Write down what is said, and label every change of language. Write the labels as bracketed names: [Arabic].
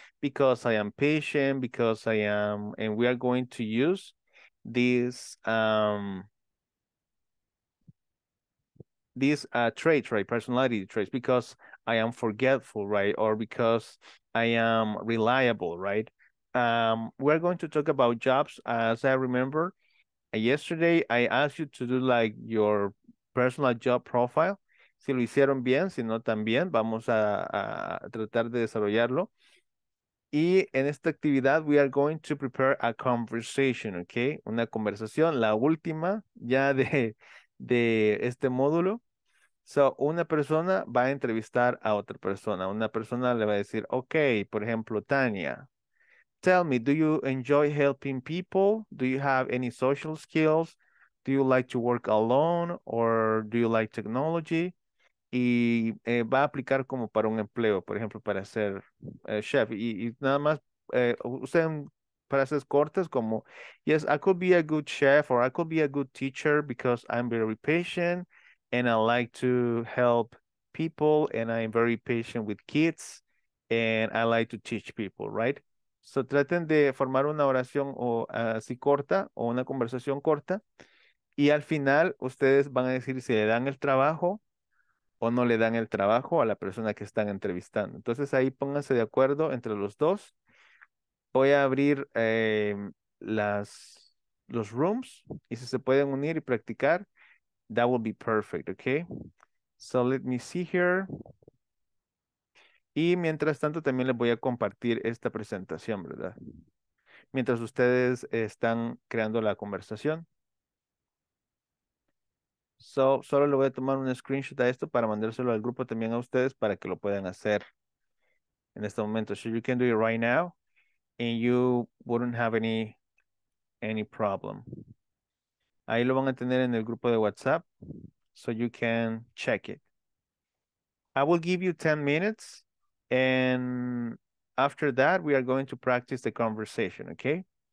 [English] Because I am patient, because I am, and we are going to use these traits, right? Personality traits, because I am forgetful, right? Or because I am reliable, right? We're going to talk about jobs. As I remember, yesterday I asked you to do like your personal job profile. [Spanish] Si lo hicieron bien, si no también, vamos a tratar de desarrollarlo. Y en esta actividad, [English] we are going to prepare a conversation, okay? [Spanish] Una conversación, la última ya de este módulo. So, una persona va a entrevistar a otra persona. Una persona le va a decir, okay, por ejemplo, Tania, [English] tell me, do you enjoy helping people? Do you have any social skills? Do you like to work alone or do you like technology? [Spanish] Y va a aplicar como para un empleo, por ejemplo, para ser chef. Y nada más usen frases cortas como, [English] yes, I could be a good chef or I could be a good teacher because I'm very patient and I like to help people and I'm very patient with kids and I like to teach people, right? [Spanish] So traten de formar una oración o así corta o una conversación corta. Y al final ustedes van a decir si le dan el trabajo o no le dan el trabajo a la persona que están entrevistando. Entonces ahí pónganse de acuerdo entre los dos. Voy a abrir los rooms. Y si se pueden unir y practicar, [English] that will be perfect, [Spanish] okay? [English] So let me see here. [Spanish] Y mientras tanto también les voy a compartir esta presentación, ¿verdad? Mientras ustedes están creando la conversación. So, solo le voy a tomar un screenshot a esto para mandárselo al grupo también a ustedes para que lo puedan hacer en este momento. [English] So you can do it right now and you wouldn't have any problem. [Spanish] Ahí lo van a tener en el grupo de WhatsApp [English] so you can check it. I will give you 10 minutes and after that we are going to practice the conversation, okay?